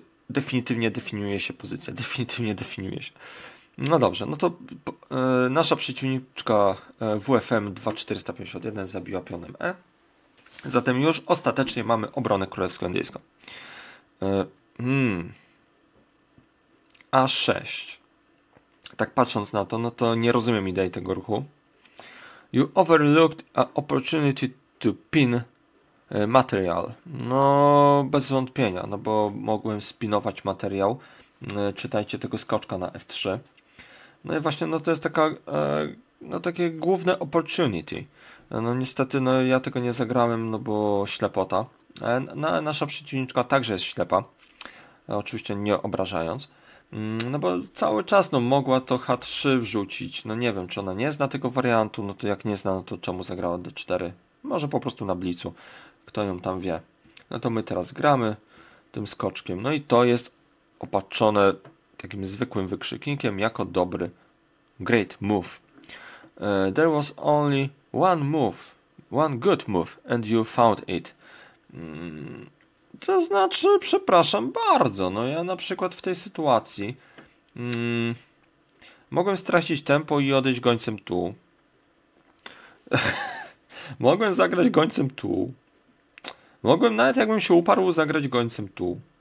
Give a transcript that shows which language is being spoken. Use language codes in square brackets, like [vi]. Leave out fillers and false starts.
[pl] Definitywnie definiuje się pozycja. Definitywnie definiuje się. No dobrze, no to nasza przeciwniczka WFM 2451 zabiła pionem E. Zatem już ostatecznie mamy obronę królewsko-indyjską. A6. Tak patrząc na to, no to nie rozumiem idei tego ruchu. [en] You overlooked an opportunity to pin material. [pl] No, bez wątpienia, no bo mogłem spinować materiał. Czytajcie tego skoczka na F3. No i właśnie, no to jest taka... No takie główne opportunity. No niestety, no ja tego nie zagrałem, no bo ślepota. Nasza przeciwniczka także jest ślepa. Oczywiście nie obrażając. No bo cały czas, no mogła to H3 wrzucić. No nie wiem, czy ona nie zna tego wariantu. No to jak nie zna, no to czemu zagrała D4? Może po prostu na blicu. Kto ją tam wie. No to my teraz gramy tym skoczkiem. No i to jest opatrzone takim zwykłym wykrzyknikiem jako dobry [en] great move. There was only one move, one good move, and you found it. [pl] To znaczy, przepraszam bardzo, no ja na przykład w tej sytuacji mogłem stracić tempo i odejść gońcem tu. Mogłem zagrać gońcem tu. Mogłem, nawet jakbym się uparł, zagrać gońcem tu.